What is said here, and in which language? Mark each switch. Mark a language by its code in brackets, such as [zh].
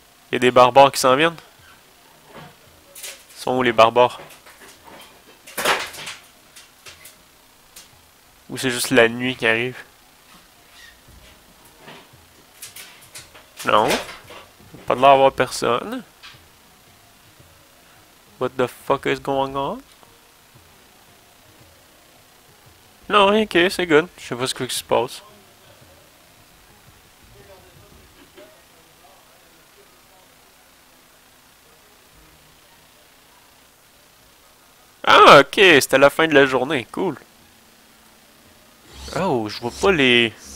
[fr] Y a des barbares qui s'en viennent? Sont où les barbares? Ou c'est juste la nuit qui arrive? Non. Pas de l'air avoir personne. [en] What the fuck is going on? [fr] Non, rien, ok, c'est good. Je sais pas ce qui se passe. Ah, ok, c'était la fin de la journée, cool. Oh, je vois pas les.